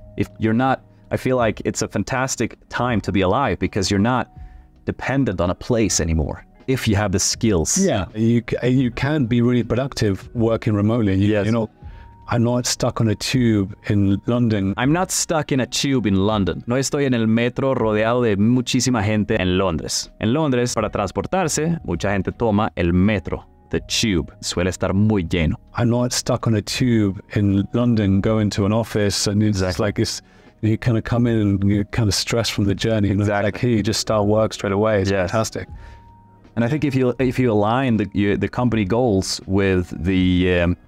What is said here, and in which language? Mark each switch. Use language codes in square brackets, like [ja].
[en] If you're not, I feel like it's a fantastic time to be alive because you're not dependent on a place anymore. If you have the skills. Yeah, you can be really productive working remotely. I'm not stuck on a tube in London. I'm not stuck in a tube in London. [es] No estoy en el metro rodeado de muchísima gente en Londres. En Londres, para transportarse, mucha gente toma el metro. The tube suele estar muy lleno. [en] I'm not stuck on a tube in London going to an office and it's exactly. Like it's, you kind of come in and you're kind of stressed from the journey. And exactly. Like, hey, you just start work straight away. It's yes. Fantastic. And I think if you align the company goals with the...